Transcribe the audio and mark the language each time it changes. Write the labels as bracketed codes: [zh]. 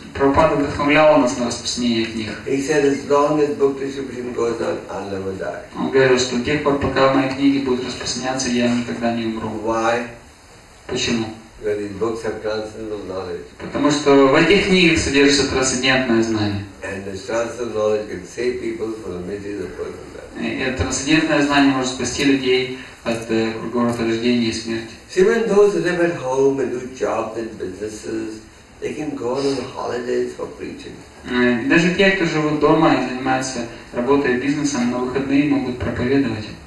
[ru] Prabhupada вдохновлял нас на распространение книг. [en] He said, as long as book distribution goes on, I'll never die. [ru] Он говорил, что до тех пор, пока мои книги будут распространяться, я никогда не умру. [en] Why? [ru] Почему? [en] Because these books have transcendental knowledge. [ru] Потому что в этих книгах содержится трансцендентное знание. [en] And the transcendental knowledge can save people from the miseries of birth and death. [ru] И это трансцендентное знание может спасти людей от кругового рождения и смерти. [en] Even those who live at home and do jobs and businesses, they can go on holidays for preaching. [ru] Даже те, кто живут дома и занимаются работой и бизнесом, на выходные могут проповедовать.